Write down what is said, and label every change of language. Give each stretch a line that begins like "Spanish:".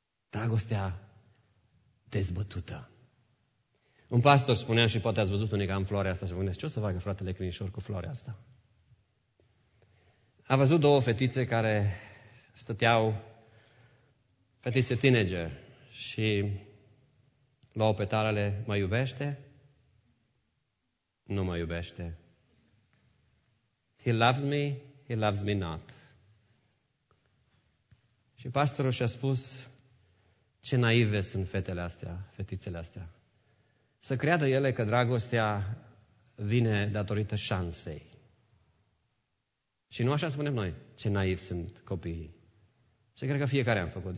Romanian: Dragostea dezbătută. Un pastor spunea și poate ați văzut unica în floarea asta și vă gândesc, ce o să facă fratele Crinișor cu floarea asta? A văzut două fetițe care stăteau fetițe tineger și luau petalele, mă iubește? Nu mă iubește.
English: He loves me, he loves me not.
Romanian: Și pastorul și-a spus, ce naive sunt fetele astea, fetițele astea. Să creadă ele că dragostea vine datorită șansei. Și nu așa spunem noi, ce naivi sunt copiii. Și cred că fiecare am făcut.